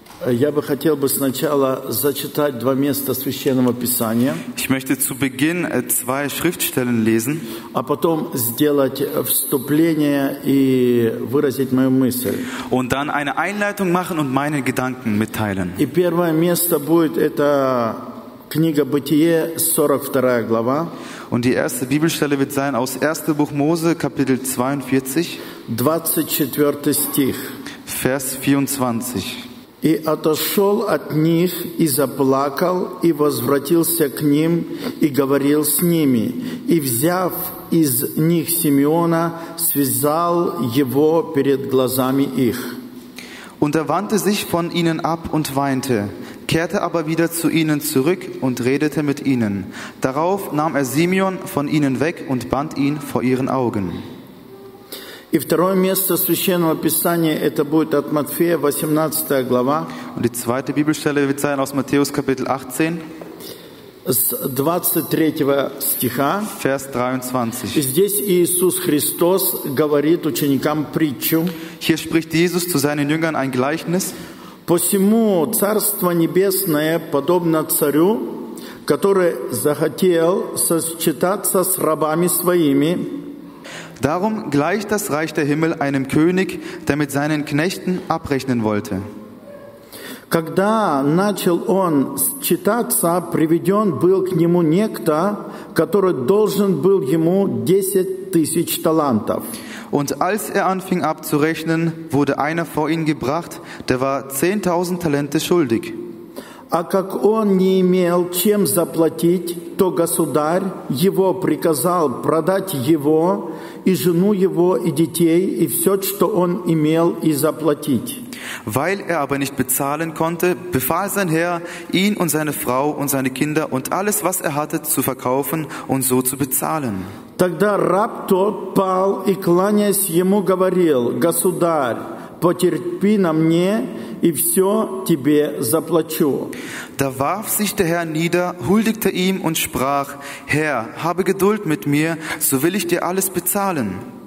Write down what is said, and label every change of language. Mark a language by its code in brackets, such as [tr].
[ru] Я бы хотел бы сначала зачитать два места Священного Писания. [de] Ich möchte zu Beginn zwei Schriftstellen lesen. [ru] А потом сделать вступление и выразить мою мысль. [de] Und dann eine Einleitung machen und meine Gedanken mitteilen. [ru] И первое место будет это Книга Бытие, 42 глава. [de] Und die erste Bibelstelle wird sein aus 1. Buch Mose, Kapitel 42, [ru] 24 стих. [de] Vers 24. [ru] «И отошел от них, и заплакал, и возвратился к ним, и говорил с ними, и, взяв из них Симеона, связал его перед глазами их». [de] «Und er wandte sich von ihnen ab und weinte, kehrte aber wieder zu ihnen zurück und redete mit ihnen. Darauf nahm er Simeon von ihnen weg und band ihn vor ihren Augen.» [ru] И второе место Священного Писания это будет от Матфея, 18 глава. [de] Und die zweite Bibelstelle wird sein aus Matthäus, Kapitel 18. [ru] С 23 стиха. [de] Vers 23. [ru] Здесь Иисус Христос говорит ученикам притчу. [de] Hier spricht Jesus zu seinen Jüngern ein Gleichnis. [ru] «Посему Царство Небесное подобно царю, который захотел сосчитаться с рабами своими». [de] Darum gleicht das Reich der Himmel einem König, der mit seinen Knechten abrechnen wollte. [ru] Когда начал он считаться, приведен был к нему некто, который должен был ему 10.000 талантов. [de] Und als er anfing abzurechnen, wurde einer vor ihn gebracht, der war 10.000 Talente schuldig. [ru] А как он не имел чем заплатить, то государь его приказал продать его и жену его и детей и все, что он имел, и заплатить. [de] Weil er aber nicht bezahlen konnte, befahl sein Herr, ihn und seine Frau und seine Kinder und alles, was er hatte, zu verkaufen und so zu bezahlen. [ru] Тогда раб тот пал и, кланяясь ему, говорил: «Государь, потерпи на мне, и все тебе заплачу». [de] Da warf sich der Herr nieder, huldigte ihm und sprach: «Herr, habe Geduld mit mir, so will ich dir alles bezahlen».